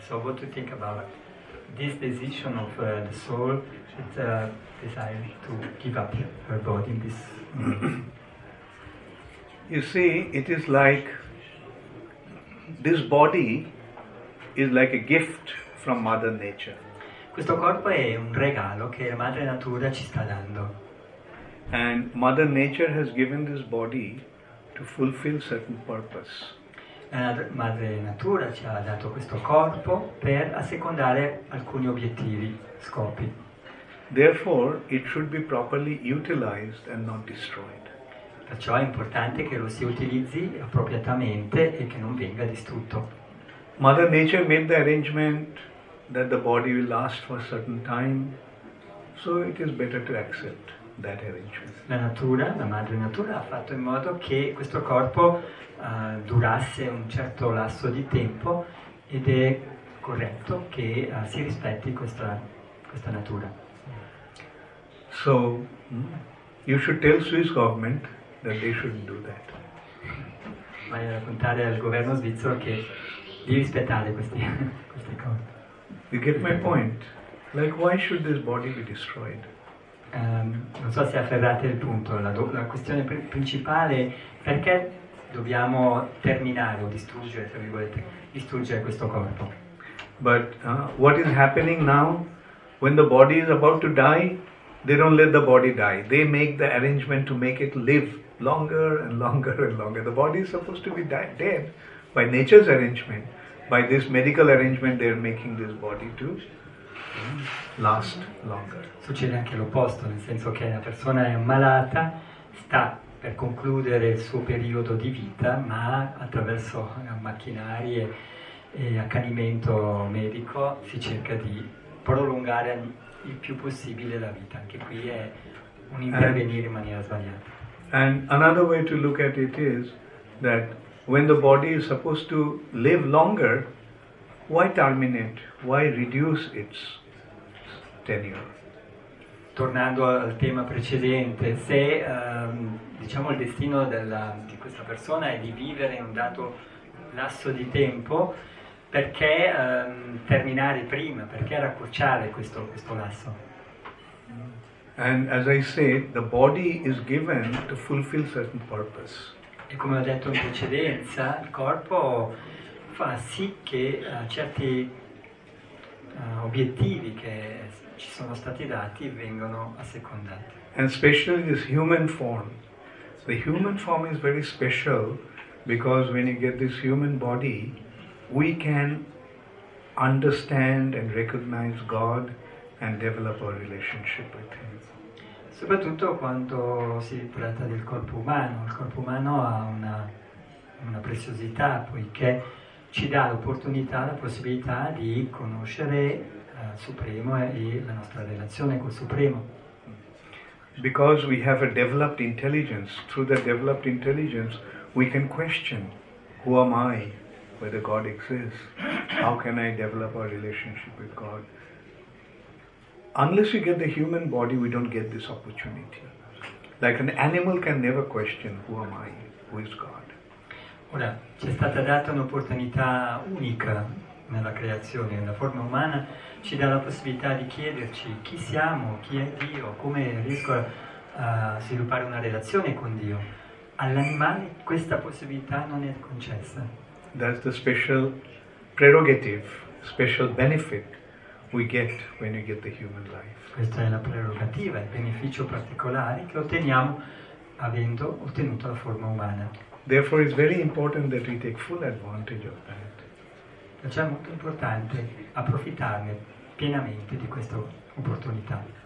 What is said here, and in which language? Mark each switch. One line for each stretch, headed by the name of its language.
English: So what do you think about this decision of the soul that decided to give up her body in this moment? You see, it is like this body is like a gift from Mother Nature.
Italian: Questo corpo è un regalo che Madre Natura ci sta dando.
English: And Mother Nature has given this body to fulfill certain purpose.
Italian: Madre Natura ci ha dato questo corpo per assecondare alcuni obiettivi, scopi.
English: Therefore, it should be properly utilized and not destroyed.
Italian: Perciò è importante che lo si utilizzi appropriatamente e che non venga distrutto.
English: Mother Nature made the arrangement that the body will last for a certain time, so it is better to accept that arrangement.
Italian: La natura, la madre natura ha fatto in modo che questo corpo durasse un certo lasso di tempo ed è corretto che si rispetti questa natura.
English: So you should tell Swiss government that they shouldn't do that.
Italian: Vai a raccontare al governo svizzero che di rispettare queste cose.
English: You get my point? Like why should this body be destroyed?
Italian: Non so se afferrate il punto, la questione principale è perché dobbiamo terminare o distruggere, tra virgolette, distruggere questo corpo.
English: But what is happening now, when the body is about to die, they don't let the body die. They make the arrangement to make it live longer and longer and longer. The body is supposed to be dead by nature's arrangement. By this medical arrangement, they are making this body to last longer.
Italian: Succede anche l'opposto, nel senso che la persona è malata, sta per concludere il suo periodo di vita, ma attraverso macchinarie e accanimento medico si cerca di prolungare il più possibile la vita. Anche qui è un intervenire in maniera sbagliata.
English: And another way to look at it is that when the body is supposed to live longer, why terminate? Why reduce its tenure?
Italian: Tornando al tema precedente, se diciamo il destino di questa persona è di vivere un dato lasso di tempo, perché terminare prima? Perché raccorciare questo lasso?
English: And as I said, the body is given to fulfill certain purpose.
Italian: E come ho detto in precedenza, il corpo fa sì che certi obiettivi che ci sono stati dati vengano assecondati.
English: And especially this human form. The human form is very special because when you get this human body, we can understand and recognize God and develop our relationship with Him.
Italian: Soprattutto quando si tratta del corpo umano. Il corpo umano ha una preziosità poiché ci dà l'opportunità, la possibilità di conoscere il Supremo e la nostra relazione col Supremo.
English: Because we have a developed intelligence, through the developed intelligence we can question who am I, whether God exists, how can I develop our relationship with God. Unless you get the human body, we don't get this opportunity. Like an animal can never question, who am I? Who is God?
Italian: Ora, ci è stata data un'opportunità unica nella creazione. La forma umana ci dà la possibilità di chiederci chi siamo, chi è Dio, come riesco a sviluppare una relazione con Dio. All'animale questa possibilità non è concessa.
English: That's the special prerogative, special benefit we get when you get the human life.
Italian: Questa è la prerogativa, il beneficio particolare che otteniamo avendo ottenuto la forma umana.
English: Therefore it's very important that we take full advantage of that.
Italian: Perciò è molto importante approfittarne pienamente di questa opportunità.